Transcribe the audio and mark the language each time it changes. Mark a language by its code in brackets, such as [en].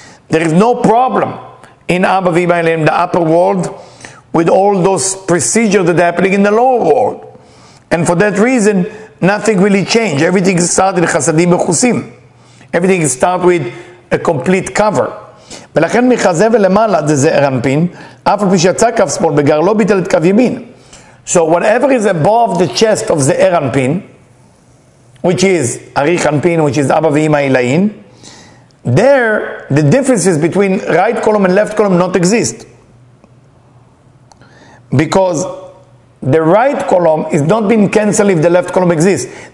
[en] There is no problem in Abba ואימא אליהם, the upper world, with all those procedures that are happening in the lower world. And for that reason, nothing really changed. Everything started בחסדים מכוסים. Everything started with a complete cover. [he] ולכן מחזה ולמעלה, זה זער אנפין, אף על פי שיצא כף שמאל בגר, לא ביטל את כף ימין. [en] So whatever is above the chest of the זער אנפין, which is Arich Anpin, which is Abba Ve'ima Ilayin, there, the differences between right column and left column not exist. Because the right column is not being canceled if the left column exists.